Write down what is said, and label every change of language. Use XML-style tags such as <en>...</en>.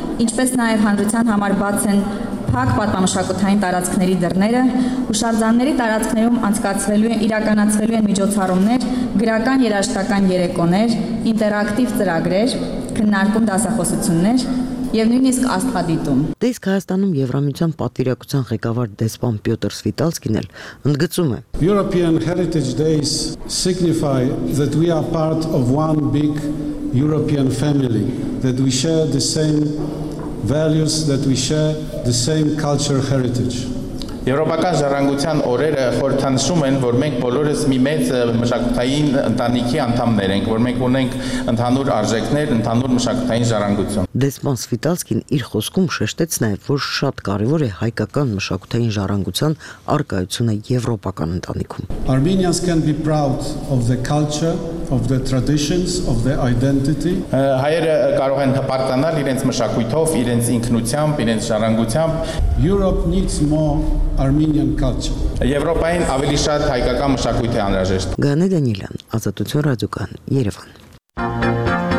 <hy>ինչպես նաեւ հանրության համար բաց են փակ պատմամշակութային տարածքների դռները, հուշարձանների տարածքներում անցկացվելու են իրականացվելու են միջոցառումներ, գրական երաժշտական երեկոներ, ինտերակտիվ ծրագրեր, քննարկում դասախոսություններ եւ նույնիսկ աստղադիտում։ Տեսք Հայաստանում Եվրամիության պատվիրակության ղեկավար դեսպան Պյոտր Սվիտալսկին էլ ընդգծում է.</hy> <en>European Heritage Days signify that we are part of one big European family, that we share the same values, that we share the same culture heritage.</en> <hy>Եվրոպական ժառանգության օրերը խորհրդանշում են, որ մենք բոլորս մի մեծ մշակութային ընտանիքի անդամներ ենք, որ մենք ունենք ընդհանուր արժեքներ, ընդհանուր մշակութային ժառանգություն։ Դեսպան Սվիտալսկին իր խոսքում շեշտեց նաև, որ շատ կարևոր է հայկական մշակութային ժառանգության առկայությունը եվրոպական ընտանիքում։</hy> <en>Armenians can be proud of the culture, of the traditions, of the identity.</en> <hy>Հայերը կարող են հպարտանալ իրենց մշակույթով, իրենց ինքնությամբ, իրենց ժառանգությամբ։</hy> <en>Europe needs more Armenian culture.</en> <hy>Եվրոպային ավելի շատ հայկական մշակույթի անհրաժեշտ։ Գանե Դանիելյան, Ազատություն ռադիոկան, Երևան։</hy>